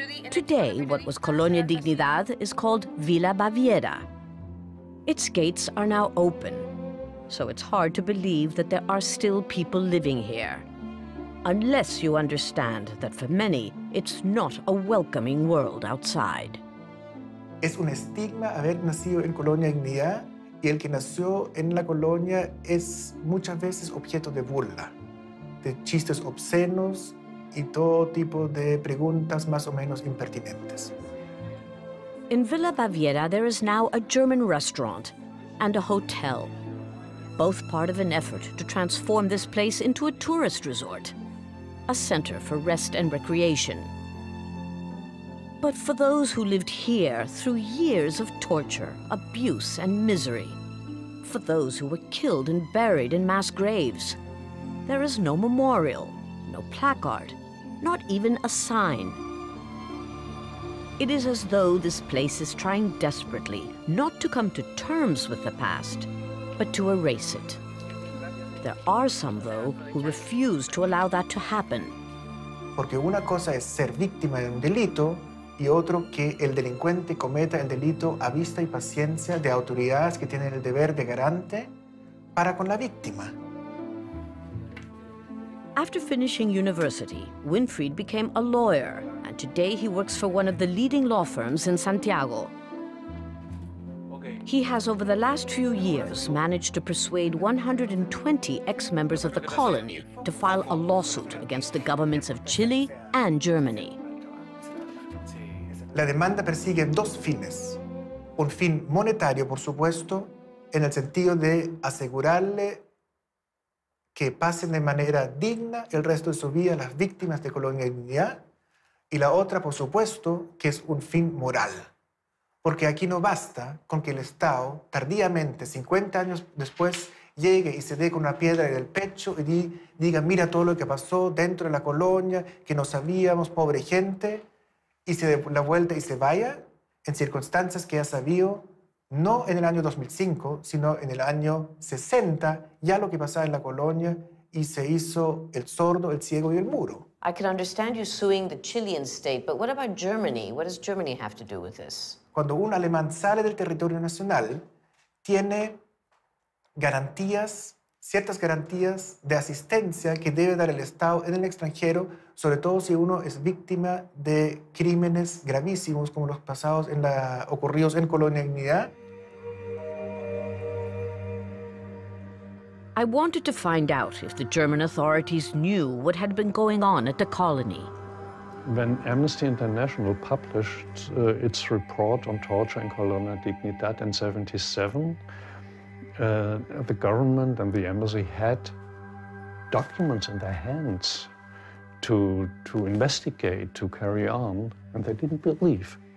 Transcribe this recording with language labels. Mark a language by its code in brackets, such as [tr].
[en] Today, what was Colonia Dignidad is called Villa Baviera. Its gates are now open, so it's hard to believe that there are still people living here. Unless you understand that for many, it's not a welcoming world outside. [es] Es un estigma haber nacido en Colonia Dignidad, y el que nació en la colonia es muchas veces objeto de burla, de chistes obscenos y todo tipo de preguntas más o menos impertinentes. [en] In Villa Baviera, there is now a German restaurant and a hotel, both part of an effort to transform this place into a tourist resort, a center for rest and recreation. But for those who lived here through years of torture, abuse, and misery, for those who were killed and buried in mass graves, there is no memorial, no placard, not even a sign. It is as though this place is trying desperately not to come to terms with the past, but to erase it. There are some, though, who refuse to allow that to happen. [es] Porque una cosa es ser víctima de un delito y otro que el delincuente cometa el delito a vista y paciencia de autoridades que tienen el deber de garante para con la víctima. [en] After finishing university, Winfried became a lawyer, and today he works for one of the leading law firms in Santiago. He has, over the last few years, managed to persuade 120 ex-members of the colony to file a lawsuit against the governments of Chile and Germany. [es] La demanda persigue dos fines. Un fin monetario, por supuesto, en el sentido de asegurarle que pasen de manera digna el resto de su vida las víctimas de Colonia Dignidad. Y la otra, por supuesto, que es un fin moral. Porque aquí no basta con que el Estado, tardíamente, 50 años después, llegue y se dé con una piedra en el pecho y diga, mira todo lo que pasó dentro de la colonia, que no sabíamos, pobre gente, y se dé la vuelta y se vaya, en circunstancias que ya sabía, no en el año 2005, sino en el año 60, ya lo que pasaba en la colonia, y se hizo el sordo, el ciego y el mudo. [en] I can understand you suing the Chilean state, but what about Germany? What does Germany have to do with this? [es] Cuando un alemán sale del territorio nacional, tiene garantías, ciertas garantías de asistencia que debe dar el Estado en el extranjero, sobre todo si uno es víctima de crímenes gravísimos como los pasados en la, ocurridos en Colonia Dignidad. [en] I wanted to find out if the German authorities knew what had been going on at the colony. When Amnesty International published its report on torture in Colonia Dignidad in 77, the government and the embassy had documents in their hands to investigate, to carry on, and they didn't believe.